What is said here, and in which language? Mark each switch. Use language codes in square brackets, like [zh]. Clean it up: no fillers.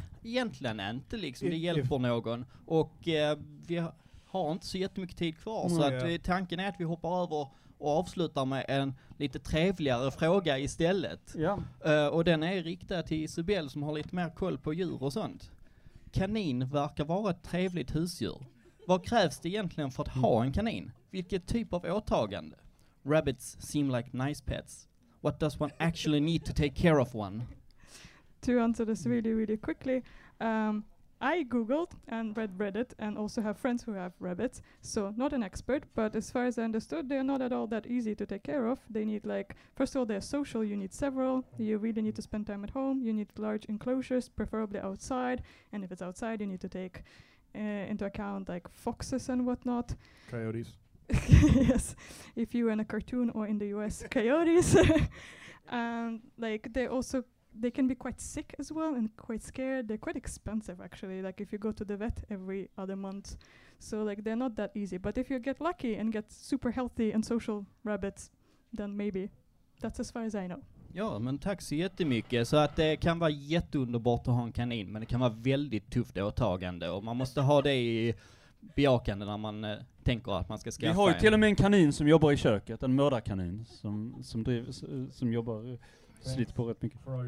[sv] Egentligen inte liksom, det hjälper någon, och vi har inte så jättemycket tid kvar, så att tanken är att vi hoppar över och avslutar med en lite trevligare fråga istället. Ja. Och den är riktad till Isabel som har lite mer koll på djur och sånt. Kanin verkar vara ett trevligt husdjur. Vad krävs det egentligen för att ha en kanin? Vilket typ av åtagande? [en] Rabbits seem like nice pets. What does one actually need to take care of one? To answer this really, really quickly, I googled and read Reddit and also have friends who have rabbits, so not an expert, but as far as I understood, they're not at all that easy to take care of. They need, like, first of all, they're social, you need several, you really need to spend time at home, you need large enclosures, preferably outside, and if it's outside, you need to take into account, like, foxes and whatnot. Coyotes. Yes, if you were in a cartoon or in the US, coyotes. And, like, they also, they can be quite sick as well and quite scared. They're quite expensive, actually. Like, if you go to the vet every other month. So, like, they're not that easy. But if you get lucky and get super healthy and social rabbits, then maybe. That's as far as I know. [sv] Ja, men tack så jättemycket. Så att det kan vara jätteunderbart att ha en kanin, men det kan vara väldigt tufft åtagande. Och man måste ha det i bejakande när man tänker att man ska skaffa en. Vi har ju till och med en kanin som jobbar i köket. En mördarkanin som driver, som jobbar. Slit på rätt mycket.